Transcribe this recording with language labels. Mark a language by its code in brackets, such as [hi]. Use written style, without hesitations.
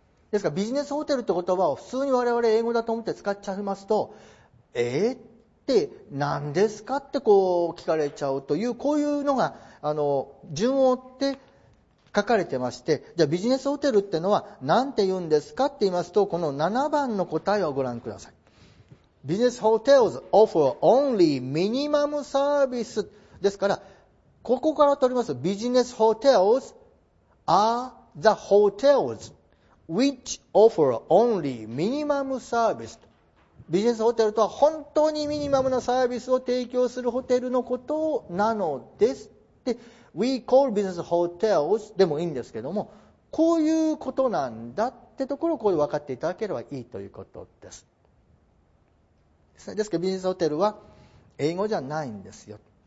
[ja] ですからビジネスホテルって言葉を普通に我々英語だと思って使っちゃいますと、で何ですかってこう聞かれちゃうという、こういうのがあの順を追って書かれてまして、じゃあビジネスホテルってのは何て言うんですかって言いますと、この7番の答えをご覧ください。 [en] Business hotels offer only minimum service。 [ja] ですからここから取ります。 [en] Business hotels are the hotels which offer only minimum service。 [ja] ビジネスホテルとは本当にミニマムなサービスを提供するホテルのことなのですって。 [en] We call business hotels [ja] でもいいんですけども、こういうことなんだっってところをこう分かっていただければいいということです。ですけどビジネスホテルは英語じゃないんですよ。